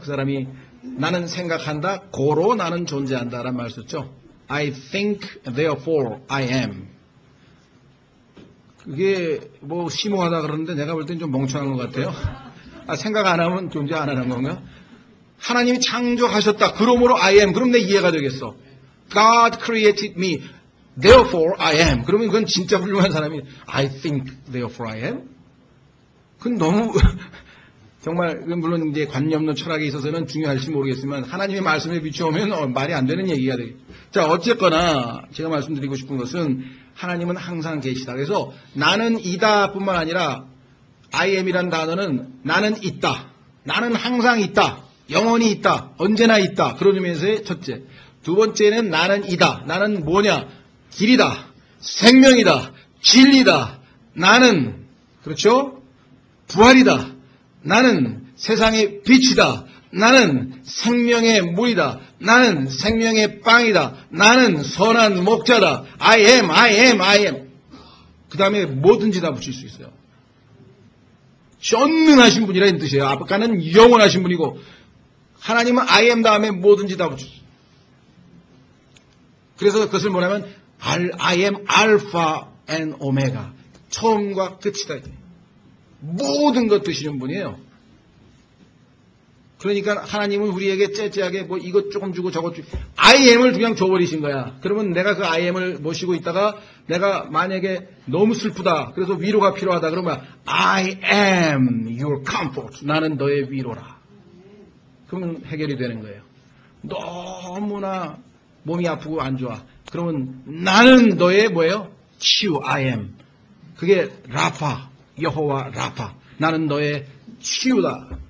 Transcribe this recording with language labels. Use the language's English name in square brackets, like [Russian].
[Korean] 그 사람이 나는 생각한다. 고로 나는 존재한다. 라는 말을 썼죠. [English] I think, therefore, I am. [Korean] 그게 뭐 심오하다 그러는데 내가 볼 땐 좀 멍청한 것 같아요. 아, 생각 안 하면 존재 안 하는 건가? 하나님이 창조하셨다. 그러므로 I am. 그럼 내 이해가 되겠어. [English] God created me, therefore I am. [Korean] 그러면 그건 진짜 훌륭한 사람이 [English] I think, therefore I am. [Korean] 그건 너무 정말 물론 이제 관념론 철학에 있어서는 중요할지 모르겠지만 하나님의 말씀에 비추어보면 말이 안 되는 얘기가 돼. 자 어쨌거나 제가 말씀드리고 싶은 것은 하나님은 항상 계시다. 그래서 나는 이다뿐만 아니라 I am이란 단어는 나는 있다. 나는 항상 있다. 영원히 있다. 언제나 있다. 그런 의미에서의 첫째. 두 번째는 나는 이다. 나는 뭐냐? 길이다. 생명이다. 진리다. 나는, 그렇죠? 부활이다. 나는 세상의 빛이다. 나는 생명의 물이다. 나는 생명의 빵이다. 나는 선한 목자다. [English] I am, I am, I am. [Korean] 그 다음에 뭐든지 다 붙일 수 있어요. 전능하신 분이라는 뜻이에요. 아까는 영원하신 분이고 하나님은 I am 다음에 뭐든지 다 붙일 수 있어요. 그래서 그것을 뭐냐면 [English] I am Alpha and Omega. [Korean] 처음과 끝이다. 모든 것 드시는 분이에요. 그러니까 하나님은 우리에게 째째하게 뭐 이것 조금 주고 저것 주고 I am을 그냥 줘버리신 거야. 그러면 내가 그 I am을 모시고 있다가 내가 만약에 너무 슬프다. 그래서 위로가 필요하다. [English] 그러면 I am your comfort. [Korean] 나는 너의 위로라. 그러면 해결이 되는 거예요. 너무나 몸이 아프고 안 좋아. 그러면 나는 너의 뭐예요? [English] 치유, I am. [Korean] 그게 라파, 여호와 라파. 나는 너의 치유다.